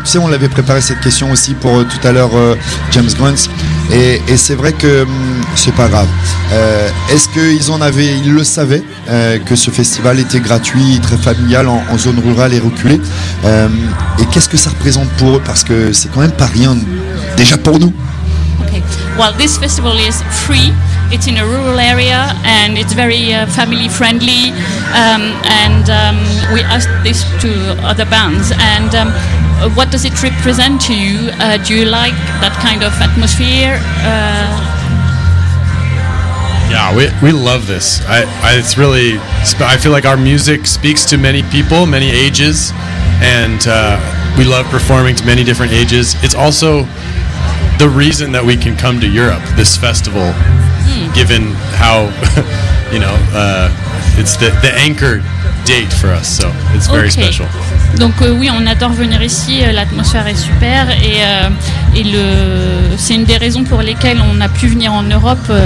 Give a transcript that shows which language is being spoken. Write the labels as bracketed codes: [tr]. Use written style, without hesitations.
[fr] Tu sais, on l'avait préparé cette question aussi pour tout à l'heure James Grant. Et c'est vrai que c'est pas grave. Est-ce qu'ils en avaient, ils le savaient, que ce festival était gratuit, très familial, en zone rurale et reculée. Et qu'est-ce que ça représente pour eux? Parce que c'est quand même pas rien, déjà pour nous. [en] Well, this festival is free, it's in a rural area, and it's very family friendly, we asked this to other bands, and what does it represent to you? Do you like that kind of atmosphere? Yeah, we love this. I feel like our music speaks to many people, many ages, and we love performing to many different ages. It's also the reason that we can come to Europe, this festival, given how, you know, it's the anchor date for us, so it's very special. [fr] Donc oui, on adore venir ici, l'atmosphère est super et c'est une des raisons pour lesquelles on a pu venir en Europe.